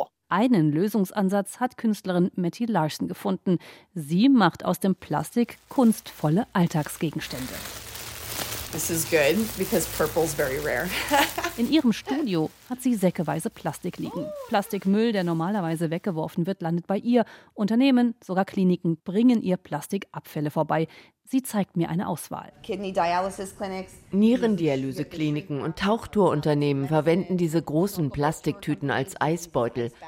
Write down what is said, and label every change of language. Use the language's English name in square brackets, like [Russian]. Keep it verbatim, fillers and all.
[German] Einen Lösungsansatz hat Künstlerin Mattie Larson gefunden. Sie macht aus dem Plastik kunstvolle Alltagsgegenstände. [English] This is good because purple's very rare. [German] In ihrem Studio hat sie säckeweise Plastik liegen. Plastikmüll, der normalerweise weggeworfen wird, landet bei ihr. Unternehmen, sogar Kliniken bringen ihr Plastikabfälle vorbei. Sie zeigt mir eine Auswahl. Nierendialysekliniken und Tauchtourunternehmen verwenden diese großen Plastiktüten als Eisbeutel.